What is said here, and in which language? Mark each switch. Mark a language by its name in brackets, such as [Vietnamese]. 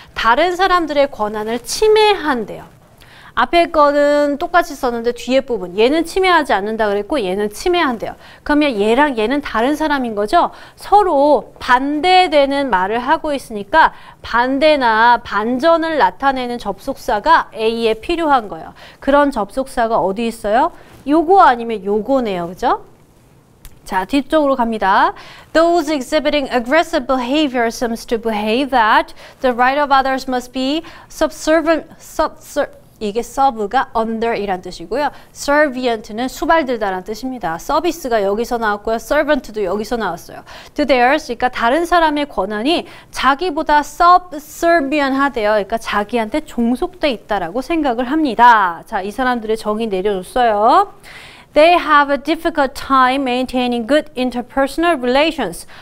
[Korean] 다른 사람들의 권한을 침해한대요. 앞에 거는 똑같이 썼는데 뒤에 부분 얘는 침해하지 않는다 그랬고 얘는 침해한대요. 그러면 얘랑 얘는 다른 사람인 거죠. 서로 반대되는 말을 하고 있으니까 반대나 반전을 나타내는 접속사가 A에 필요한 거예요. 그런 접속사가 어디 있어요? 요거 아니면 요거네요. 그죠? 자, 뒤쪽으로 갑니다. [English] Those exhibiting aggressive behavior seems to behave that the right of others must be subservient [Korean] 이게 serve가 under 이란 뜻이고요. servient는 수발들다란 뜻입니다. service가 여기서 나왔고요. servant도 여기서 나왔어요. [English] to theirs, [Korean] 그러니까 다른 사람의 권한이 자기보다 subservient 하대요. 그러니까 자기한테 종속돼 있다라고 생각을 합니다. 자, 이 사람들의 정의 내려줬어요. [English] They have a difficult time maintaining good interpersonal relations.